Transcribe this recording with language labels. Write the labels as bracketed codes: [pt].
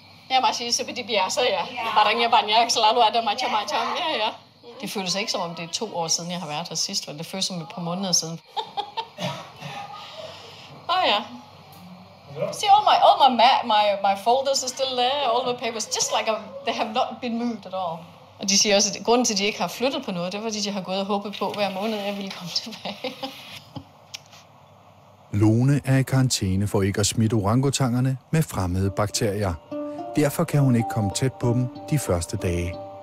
[id] Ja, masih seperti biasa ya. Barang yang banyak selalu ada macam-macam. Ja, ja. [da] Det føles ikke som om det er 2 år siden jeg har været her sidst, men det føles som et par måneder siden. Åh ja. [en] See all my folders are still there, all my papers, just like a, they have not been moved at all. [da] Og de siger også, at grunden til, at de ikke har flyttet på noget, det er fordi, de har gået og håbet på hver måned, at jeg ville komme tilbage. Lone er i karantæne for ikke at smitte orangutangerne med fremmede bakterier. Derfor kan hun ikke komme tæt på dem de første dage.